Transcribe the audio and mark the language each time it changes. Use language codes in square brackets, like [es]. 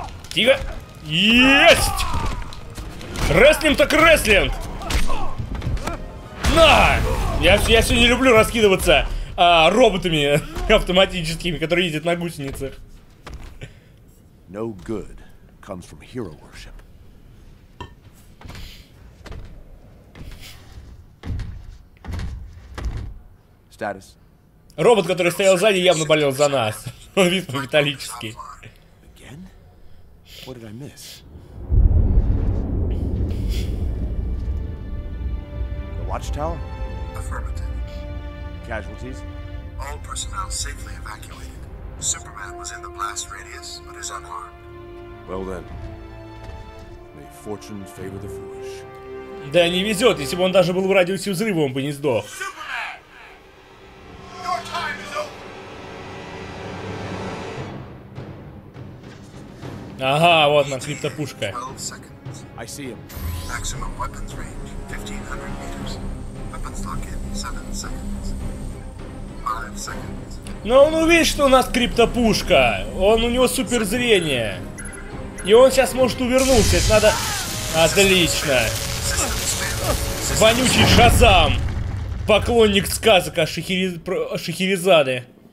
[ru] Тихо. Есть! Рестлинг так рестлинг! На! Я все не люблю раскидываться роботами автоматическими, которые ездят на гусеницах. [en] No good comes from hero worship. Status. [ru] Робот, который стоял сзади, явно болел за нас. Он видно металлический. [en] The watchtower? Affirmative. Casualties? All personnel safely evacuated. Superman was in the blast radius, but is unharmed. Well then, may fortune favor the foolish. [ru] Да не везет, если бы он даже был в радиусе взрыва, он бы не сдох. [en] Superman! Your time is over. [ru] Ага, вот на криптопушка. [en] I see him. Maximum weapons range 1500 meters. Weapons clock in 7 seconds. 5 seconds. [ru] Но он увидит, что у нас криптопушка. Он, у него суперзрение. И он сейчас может увернуться. Это надо... Отлично. Вонючий Шазам. Поклонник сказок о Шахерезаде.